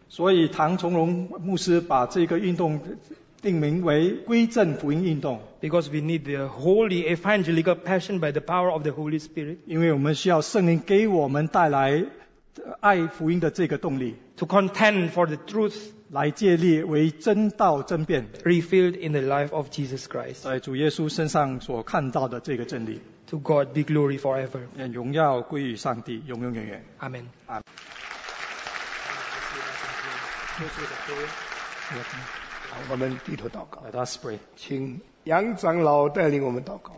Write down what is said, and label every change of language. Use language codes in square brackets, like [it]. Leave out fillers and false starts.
[zh] 所以唐崇荣牧师把这个运动定名为归正福音运动。 [en] Because we need the holy evangelical passion by the power of the Holy Spirit. [zh] 因为我们需要圣灵给我们带来爱福音的这个动力。 [en] To contend for the truth. [zh] 来建立为真道真辩。 [en] Revealed in the life of Jesus Christ. [zh] 在主耶稣身上所看到的这个真理。 [en] To God be glory forever. [zh] 愿荣耀归于上帝，永永远远。 [en] Amen. Amen. [zh] 好，我们低头祷告。 [en] Let us pray. [zh] 请杨长老带领我们祷告。